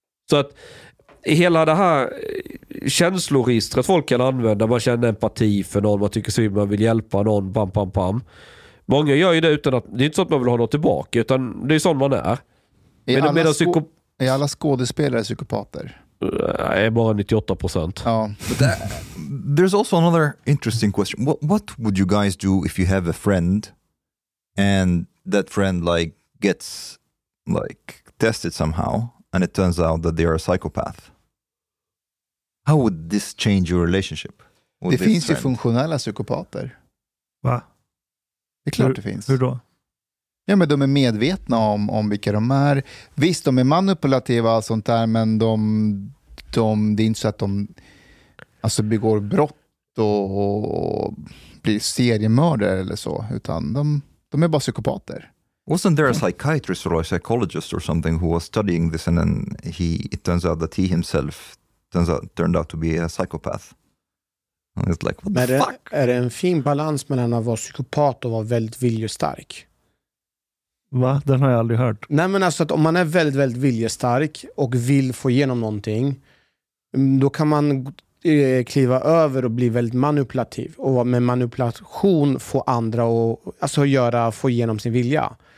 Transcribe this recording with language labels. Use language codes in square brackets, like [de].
[sv] Så att hela det här känsloregistret folk kan använda, man känner empati för någon, man tycker att man vill hjälpa någon, bam, bam, bam. Många gör ju det utan att, det är inte så att man vill ha något tillbaka, utan det är sån man är. Är alla skådespelare psykopater? Nej, bara 98%. Ja. [en] There's also another interesting question. What would you guys do if you have a friend and that friend like gets like tested somehow and it turns out that they are a psychopath? How would this change your relationship? [sv] Det finns ju funktionella psykopater. Va? Det är klart det finns. Hur då? Ja, men de är medvetna om vilka de är. Visst, de är manipulativa och allt sånt där, men de det är inte så att de alltså begår brott och blir seriemördare eller så, utan de är bara psykopater. [en] Wasn't there a psychiatrist or a psychologist or something who was studying this and then it turns out that he himself turned out to be a psychopath? And it's like, what the fuck? [sv] Är det en fin balans mellan att vara psykopat och vara väldigt viljestark? Va? Den har jag aldrig hört. Nej, men alltså att om man är väldigt, väldigt viljestark och vill få igenom någonting, då kan man kliva över och bli väldigt manipulativ och med manipulation få andra att alltså göra, få igenom sin vilja.